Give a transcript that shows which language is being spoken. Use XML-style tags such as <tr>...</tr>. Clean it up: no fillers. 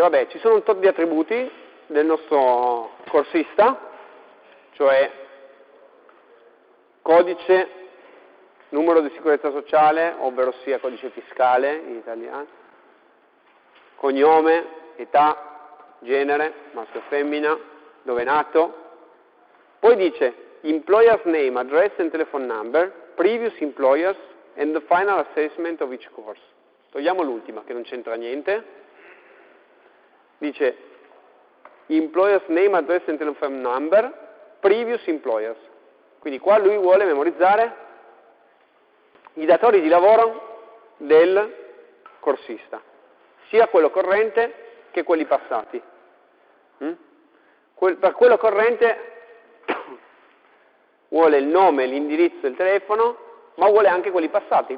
<it>Vabbè, ci sono un tot di attributi del nostro corsista, cioè codice, numero di sicurezza sociale, ovvero sia codice fiscale in italiano, cognome, età, genere, maschio o femmina, dove è nato. Poi dice</it> <en>employer's name, address and telephone number, previous employers and the final assessment of each course.</en> <it>Togliamo l'ultima che non c'entra niente. Dice</it> <en>employer's name, address and telephone number, previous employers.</en> <it>Quindi qua lui vuole memorizzare i datori di lavoro del corsista, sia quello corrente che quelli passati. Per quello corrente vuole il nome, l'indirizzo, il telefono, ma vuole anche quelli passati.</it>